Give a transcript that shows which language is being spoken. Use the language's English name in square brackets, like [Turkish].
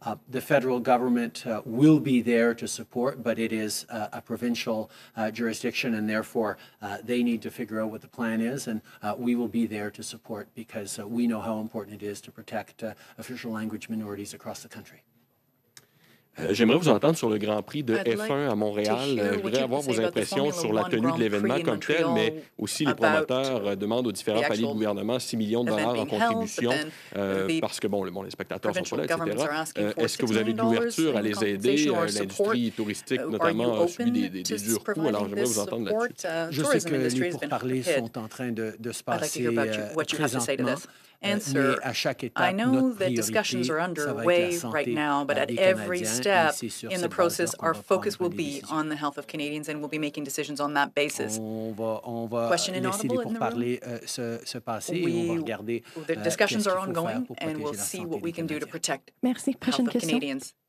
[English] The federal government will be there to support, but it is a provincial jurisdiction, and therefore they need to figure out what the plan is, and we will be there to support because we know how important it is to protect official language minorities across the country. [French] J'aimerais vous entendre sur le Grand Prix de F1 à Montréal. Je voudrais avoir vos impressions sur la tenue de l'événement comme tel, mais aussi les promoteurs demandent aux différents paliers de gouvernement 6 millions de dollars en contribution parce que, bon, les spectateurs sont là, etc. Est-ce que vous avez de l'ouverture à les aider, l'industrie touristique, notamment, subit des durs coûts? Alors, j'aimerais vous entendre là-dessus. Je sais que les pourparlers sont en train de se passer présentement. [English] Answer. I know that discussions are underway right now, but at every step in the process, our focus will be on the health of Canadians, and we'll be making decisions on that basis. Question inaudible in the room. The discussions are ongoing, and we'll see what we can do to protect the health of Canadians.